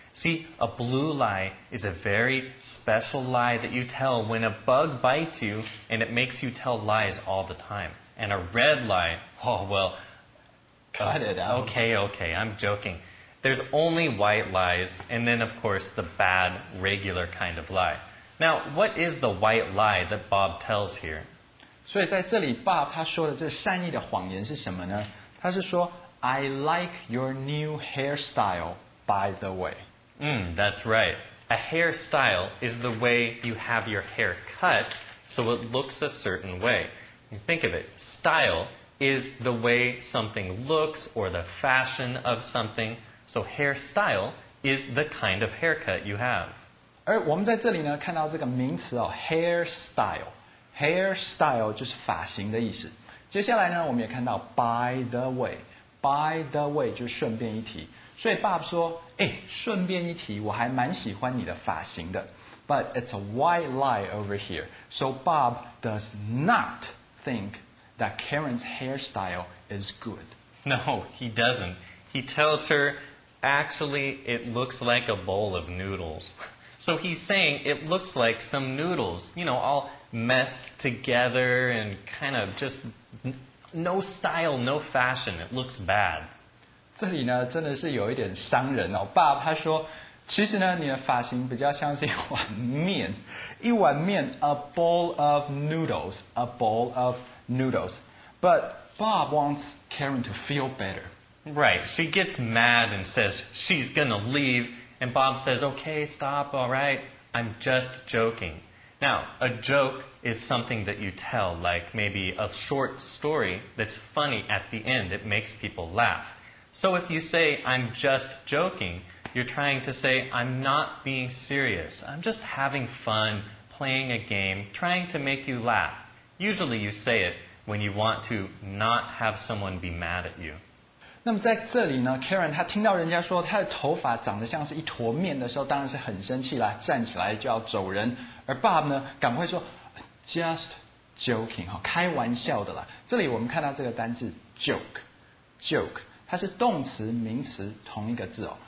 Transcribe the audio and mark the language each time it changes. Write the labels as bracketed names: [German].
[English] See, a blue lie is a very special lie that you tell when a bug bites you and it makes you tell lies all the time. And a red lie, oh, well... Cut it out. Okay, I'm joking. There's only white lies, and then, of course, the bad, regular kind of lie. Now, what is the white lie that Bob tells here? [Chinese] 所以在这里 ,Bob 他说的这善意的谎言是什么呢? 他是说 [English] ,I like your new hairstyle, by the way. That's right. A hairstyle is the way you have your hair cut, so it looks a certain way. Think of it, style is the way something looks or the fashion of something... So hairstyle is the kind of haircut you have. [Chinese] 而我们在这里呢看到这个名词哦 ,hairstyle. Hairstyle 就是发型的意思。接下来呢我们也看到 by the way. By the way 就是顺便一提。所以 Bob 说诶顺便一提我还蛮喜欢你的发型的。 [English] But it's a white lie over here. So Bob does not think that Karen's hairstyle is good. No, he doesn't. He tells her, actually, it looks like a bowl of noodles. So he's saying it looks like some noodles, you know, all messed together and kind of just no style, no fashion. It looks bad. [Chinese] 这里呢，真的是有一点伤人哦。爸他说，其实呢，你的发型比较像是一碗面，一碗面 ， [English] a bowl of noodles, [Chinese] a bowl of noodles. [English] But Bob wants Karen to feel better. Right. She gets mad and says she's gonna leave. And Bob says, okay, stop, all right, I'm just joking. Now, a joke is something that you tell, like maybe a short story that's funny at the end. It makes people laugh. So if you say, I'm just joking, you're trying to say, I'm not being serious. I'm just having fun playing a game, trying to make you laugh. Usually you say it when you want to not have someone be mad at you. [Chinese] 那么在这里呢 ，Karen 她听到人家说她的头发长得像是一坨面的时候，当然是很生气了，站起来就要走人。而 Bob 呢，赶快说 ， [English] just joking [Chinese] 哈，开玩笑的啦。这里我们看到这个单字 joke， 它是动词、名词同一个字哦。